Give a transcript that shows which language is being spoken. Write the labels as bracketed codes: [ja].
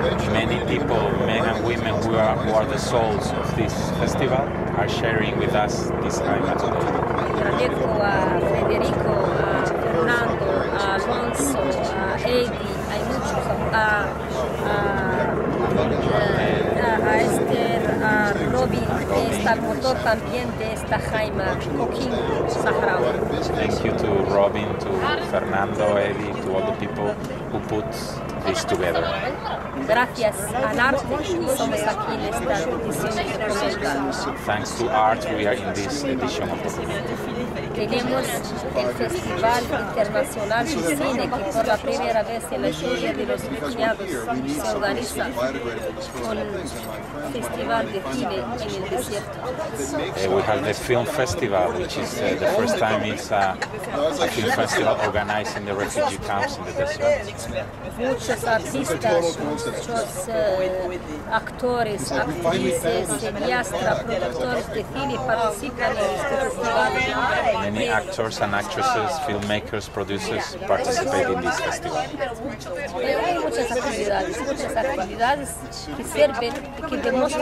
[en] Many people, men and women who are the souls of this festival, are sharing with us this jaima today. [es] Agradezco a Federico, a Fernando, a Alonso, a Eddie, hay muchos, a Esther, a Robin, que está al motor también de esta jaima, [en] cooking Sahrawi. Thank you to Robin, to Fernando, Eddie, to all the people who put this together. [es] Gracias al arte y somos aquí en esta edición de Documenta. [en] Thanks to art we are in this edition of Documenta. [es] Tenemos el Festival Internacional de Cine que por la primera vez en la historia de los refugiados se organiza con Festival de Cine en el desierto. [en] We have the Film Festival, which is the first time it's a film festival organized in the refugee camps in the desert. [es] Muchos artistas, muchos actores, actrices, cineastas, productores de cine participan en este festival. [en] Many actors and actresses, filmmakers, producers participate in this festival. [es] Hay muchas actividades que sirven y que demuestran